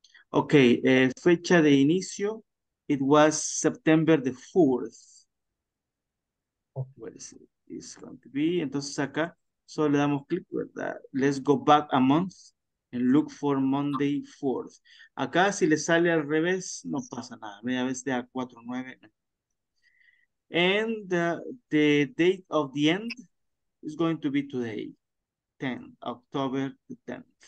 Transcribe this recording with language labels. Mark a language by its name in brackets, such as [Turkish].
[English] Ok, [Spanish] fecha de inicio. [English] It was September the 4th. What is it? It's going to be. [Spanish] Entonces acá solo le damos clic, ¿verdad? [English] Let's go back a month and look for Monday 4th. [Spanish] Acá si le sale al revés, no pasa nada. Media vez de A49. [English] And the date of the end is going to be today, 10th, October the 10th.